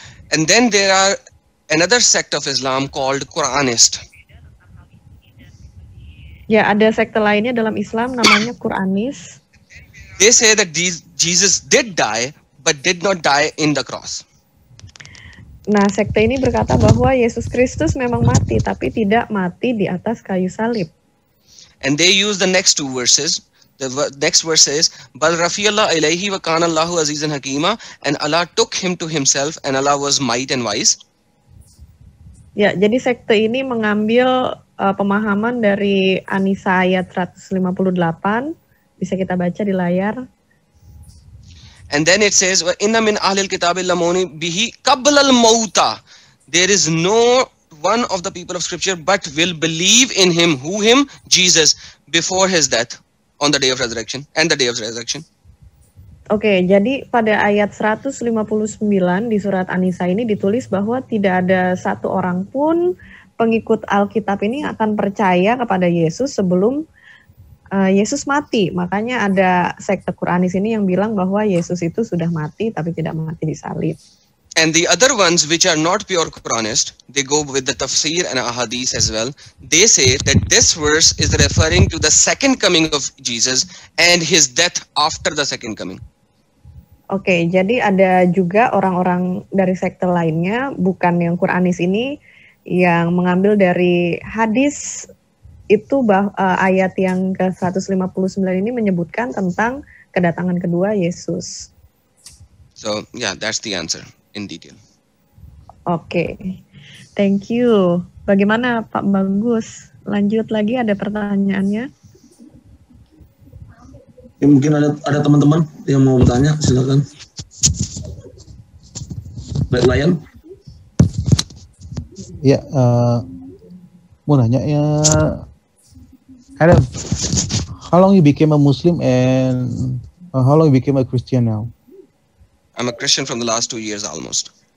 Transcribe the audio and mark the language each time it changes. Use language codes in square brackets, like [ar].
[en] And then there are another sect of Islam called Quranist. [id] Ya, ada sekte lainnya dalam Islam namanya Quranis. [en] They say that Jesus did die, but did not die in the cross. [id] Nah, sekte ini berkata bahwa Yesus Kristus memang mati, tapi tidak mati di atas kayu salib. [en] And they use the next two verses. The next verse is, [ar] "Bal rafi'allahu ilayhi wa kana Allahu azizan hakima," [en] and Allah took him to himself, and Allah was might and wise. [id] Ya, jadi sekte ini mengambil pemahaman dari Anisa ayat 158. Bisa kita baca di layar. [en] And then it says, [ar] inna min ahlil kitab lamuni bihi qabla al-mauta. [en] There is no one of the people of scripture but will believe in him, who him? Jesus, before his death, on the day of resurrection, and the day of resurrection. [id] Oke, okay, jadi pada ayat 159 di surat An-Nisa ini ditulis bahwa tidak ada satu orang pun pengikut Alkitab ini akan percaya kepada Yesus sebelum Yesus mati. Makanya ada sekte Quranis ini yang bilang bahwa Yesus itu sudah mati tapi tidak mati di salib. [en] And the other ones which are not pure Quranist, they go with the tafsir and ahadith as well. They say that this verse is referring to the second coming of Jesus and his death after the second coming. [id] Okay, jadi ada juga orang-orang dari sekte lainnya, bukan yang Quranis ini, yang mengambil dari hadis itu ayat yang ke-159 ini menyebutkan tentang kedatangan kedua Yesus. [en] So, yeah, that's the answer. In detail. [id] Oke, okay. [en] Thank you. [id] Bagaimana Pak Bagus? Lanjut lagi ada pertanyaannya? Ya, mungkin ada teman-teman yang mau bertanya, silakan. Pak Layan? Ya, mau nanya ya, [en] Adam, how long you became a Muslim and how long you became a Christian now? I'm a Christian from the last 2 years almost.